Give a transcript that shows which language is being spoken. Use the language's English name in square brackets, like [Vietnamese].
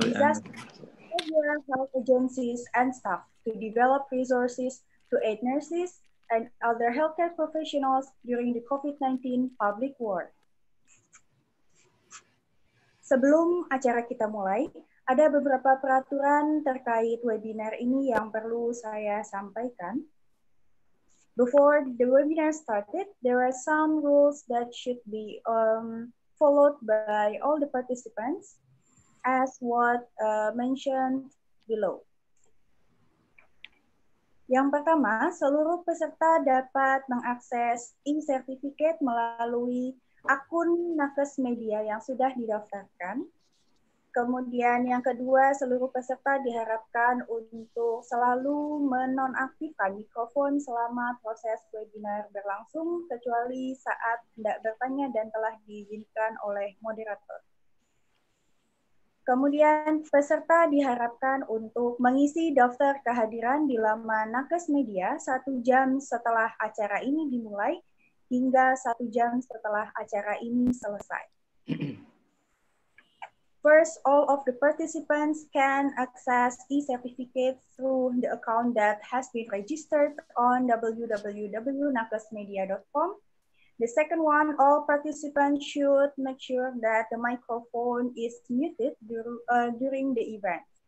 [English] disaster behavioral health agencies and staff to develop resources to aid nurses and other healthcare professionals during the COVID-19 public war. [Indonesian] Sebelum acara kita mulai, ada beberapa peraturan terkait webinar ini yang perlu saya sampaikan. [English] Before the webinar started, there are some rules that should be followed by all the participants as what mentioned below. [Indonesian] Yang pertama, seluruh peserta dapat mengakses e-certificate melalui akun Nakes Media yang sudah didaftarkan. Kemudian yang kedua, seluruh peserta diharapkan untuk selalu menonaktifkan mikrofon selama proses webinar berlangsung, kecuali saat hendak bertanya dan telah diizinkan oleh moderator. Kemudian peserta diharapkan untuk mengisi daftar kehadiran di laman Nakes Media 1 jam setelah acara ini dimulai hingga 1 jam setelah acara ini selesai. [English] First, all of the participants can access e-certificate through the account that has been registered on www.nakesmedia.com. The second one, all participants should make sure that the microphone is muted during the event.